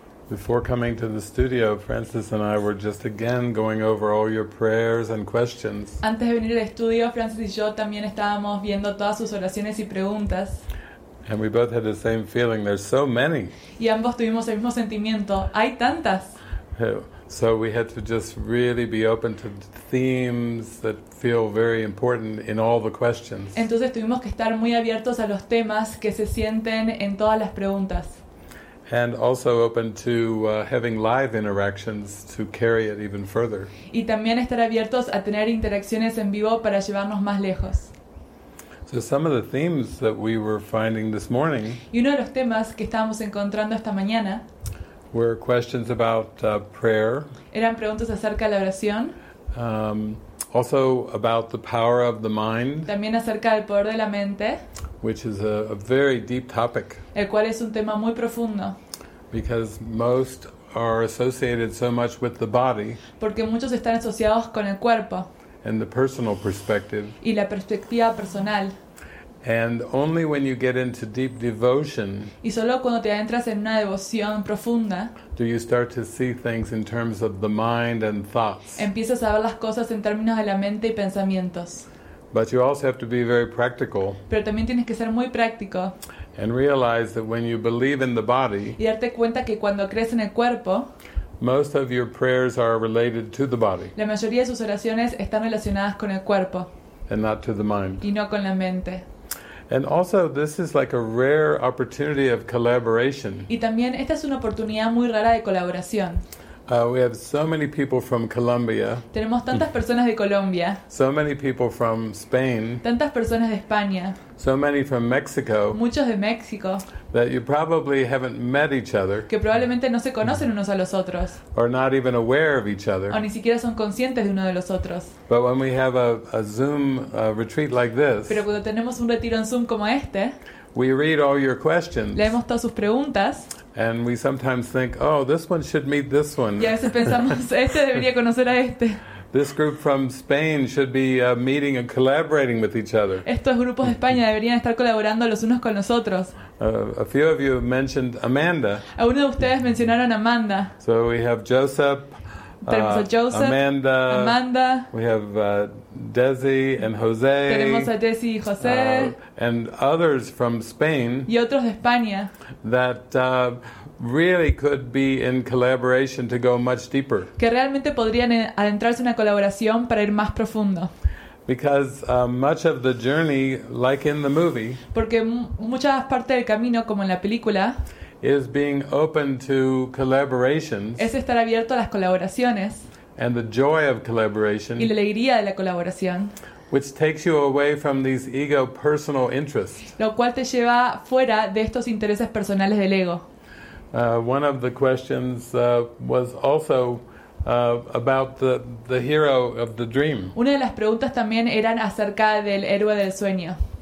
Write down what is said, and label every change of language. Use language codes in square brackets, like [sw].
[en] Before coming to the studio, Francis and I were just again going over all your prayers and questions. [es] Antes de venir al estudio, Francis y yo también estábamos viendo todas sus oraciones y preguntas. [en] And we both had the same feeling. There's so many. [es] Y ambos tuvimos el mismo sentimiento. Hay tantas. [en] So we had to just really be open to themes that feel very important in all the questions. [es] Entonces tuvimos que estar muy abiertos a los temas que se sienten en todas las preguntas. [en] And also open to having live interactions to carry it even further. [es] Y también estar abiertos a tener interacciones en vivo para llevarnos más lejos. [en] So some of the themes that we were finding this morning. [es] Y uno de los temas que estábamos encontrando esta mañana. [en] Were questions about prayer. [es] Eran preguntas acerca de la oración. [en] Also about the power of the mind. [es] También acerca del poder de la mente. [en] Which is a very deep topic. [es] El cual es un tema muy profundo. [en] Because most are associated so much with the body. [es] Porque muchos están asociados con el cuerpo. [en] And the personal perspective. [es] Y la perspectiva personal. [en] And only when you get into deep devotion. [es] Y solo cuando te adentras en una devoción profunda. [en] Do you start to see things in terms of the mind and thoughts? [es] Empiezas a ver las cosas en términos de la mente y pensamientos. [en] But you also have to be very practical. [es] Pero también tienes que ser muy práctico. [en] And realize that when you believe in the body. [es] Y darte cuenta que cuando crees en el cuerpo. [en] Most of your prayers are related to the body. [es] La mayoría de sus oraciones están relacionadas con el cuerpo. [en] And not to the mind. [es] Y no con la mente. [en] And also, this is like a rare opportunity of collaboration. [es] Y también esta es una oportunidad muy rara de colaboración. [en] We have so many people from Colombia. [es] Tenemos tantas personas de Colombia. [en] So many people from Spain. [es] Tantas personas de España. [en] So many from Mexico. [es] Muchos de México. [en] That you probably haven't met each other. [es] Que probablemente no se conocen unos a los otros. [en] Or not even aware of each other. [es] O ni siquiera son conscientes de uno de los otros. [en] But when we have a Zoom retreat like this. [es] Pero cuando tenemos un retiro en Zoom como este. [en] We read all your questions. [es] Leemos todas sus preguntas. [en] And we sometimes think, oh, this one should meet this one. [es] Y a veces pensamos, este debería conocer a este. [en] This group from Spain should be meeting and collaborating with each other. [es] Estos grupos de España deberían estar colaborando los unos con los otros. [en] A few of you mentioned Amanda. [es] Algunos de ustedes mencionaron a Amanda. [en] So we have Joseph. [es] Tenemos a Joseph, [en] Amanda. We have Desi and Jose. [es] Tenemos a Desi y José. [en] And others from Spain. [es] Y otros de España. [en] That really could be in collaboration to go much deeper. [es] Que realmente podrían adentrarse en una colaboración para ir más profundo. [en] Because much of the journey, like in the movie. [es] Porque muchas partes del camino, como en la película. [en] Is being open to collaborations. [es] Es estar abierto a las colaboraciones. [en] And the joy of collaboration. [es] Y la alegría de la colaboración. [en] Which takes you away from these ego personal interests. [es] Lo cual te lleva fuera de estos intereses personales del ego. [en] One of the questions was also about the hero of the dream. [es] Una de las preguntas también eran acerca del héroe del sueño.